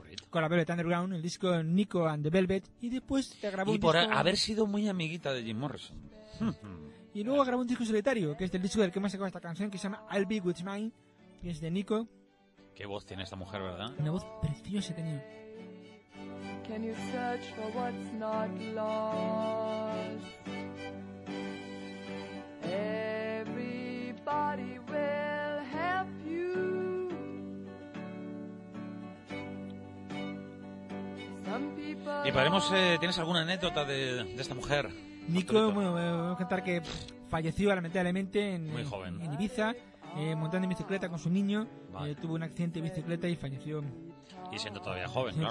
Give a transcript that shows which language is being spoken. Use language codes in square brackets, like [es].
[es] Con la Velvet Underground, el disco Nico and the Velvet, y después te grabó y un disco... Y por haber sido muy amiguita de Jim Morrison. Y luego grabó un disco solitario, que es el disco del que más sacó esta canción, que se llama I'll Be With Mine, que es de Nico. Qué voz tiene esta mujer, ¿verdad? Una voz preciosa tenía. [en] Can you search for what's not lost? Everybody will help you. [es] Y paremos, ¿tienes alguna anécdota de esta mujer? Nico, bueno, voy a contar que falleció lamentablemente en Ibiza, montando en bicicleta con su niño, tuvo un accidente de bicicleta y falleció. Y siendo todavía joven, siendo